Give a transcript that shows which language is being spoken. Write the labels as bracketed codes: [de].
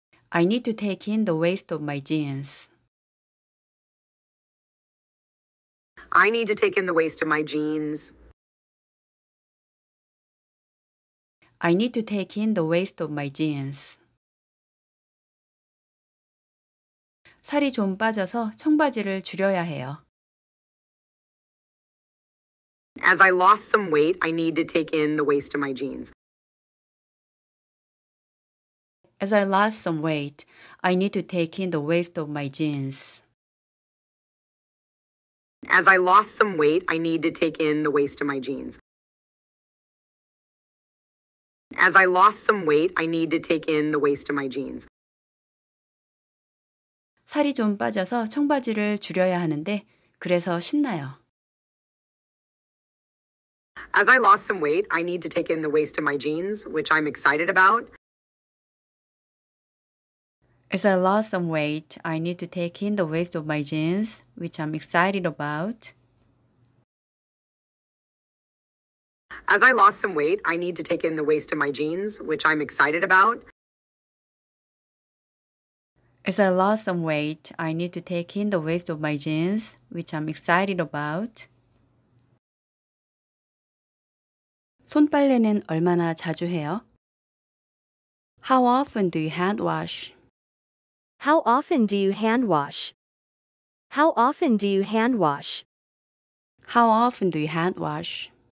[en] I need to take in the waist of my jeans. I need to take in the waist of my jeans. I need to take in the waist of my jeans. [ko] 살이 좀 빠져서 청바지를 줄여야 해요. [en] As I lost some weight, I need to take in the waist of my jeans. As I lost some weight, I need to take in the waist of my jeans. As I lost some weight, I need to take in the waist of my jeans. As I lost some weight, I need to take in the waist of my jeans. [ko] 살이 좀 빠져서 청바지를 줄여야 하는데 그래서 신나요. [en] As I lost some weight, I need to take in the waist of my jeans, which I'm excited about. As I lost some weight, I need to take in the waist of my jeans, which I'm excited about. As I lost some weight, I need to take in the waist of my jeans, which I'm excited about. As I lost some weight, I need to take in the waist of my jeans, which I'm excited about. [ko] 손빨래는 얼마나 자주 해요? [en] How often do you hand wash? How often do you hand wash? How often do you hand wash? How often do you hand wash?